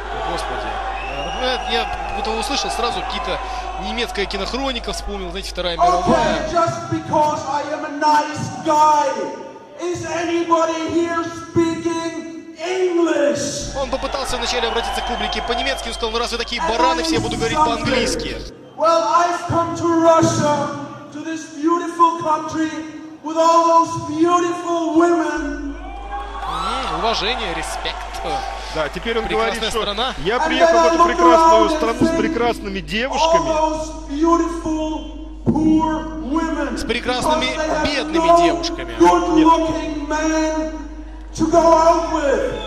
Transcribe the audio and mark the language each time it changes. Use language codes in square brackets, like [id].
[ru] Господи, я это услышал, сразу какие-то немецкая кинохроника вспомнил, знаете, Вторая мировая. [en] Okay, just because I am a nice guy, is anybody here speaking English? [ru] Он попытался вначале обратиться к публике по-немецки, он сказал, ну раз вы такие бараны, все буду говорить по-английски. [en] Well, I've come to Russia, to this beautiful country, with all those beautiful women. [ru] Уважение, респект. Да, теперь он прекрасная говорит, что страна. Я приехал в эту прекрасную страну с прекрасными девушками. С прекрасными бедными девушками. [en] To go out with.